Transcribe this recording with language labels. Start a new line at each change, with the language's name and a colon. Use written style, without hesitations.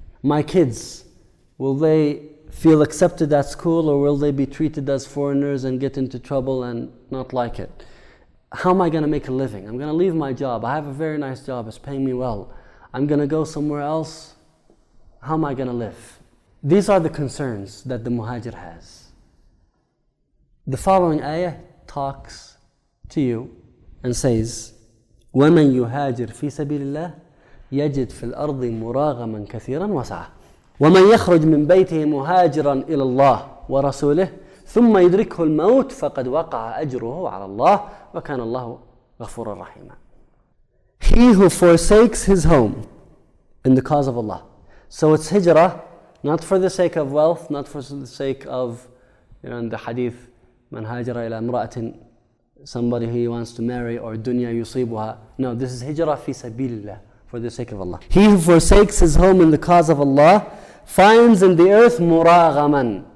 English: My kids, will they feel accepted at school, or will they be treated as foreigners and get into trouble and not like it? How am I going to make a living? I'm going to leave my job. I have a very nice job. It's paying me well. I'm going to go somewhere else. How am I going to live? These are the concerns that the muhajir has. The following ayah talks to you and says,
Arabic: وَمَنْ يُهَاجِرْ فِي سَبِيلِ اللَّهِ يَجِدْ فِي الْأَرْضِ مُرَاغَمًا كَثِيرًا وَسَعَةً وَمَنْ يَخْرُجْ مِنْ بَيْتِهِ مُهَاجِرًا إِلَى اللَّهِ وَرَسُولِهِ ثُمَّ يُدْرِكْهُ الْمَوْتِ فَقَدْ وَقَعَ أَجْرُهُ عَلَى اللَّهِ وَكَانَ اللَّهُ غَفُورًا رَحِيمًا.
English: He who forsakes his home in the cause of Allah. So it's hijrah, not for the sake of wealth, not for the sake of, in the hadith,
Arabic: مَنْ هَاجَرَ إِلَى امْرَأَةٍ,
English: somebody who he wants to marry, or
Arabic: dunya yusibuha.
English: No, this is hijrah fi sabilillah, for the sake of Allah. He who forsakes his home in the cause of Allah finds in the earth muragaman.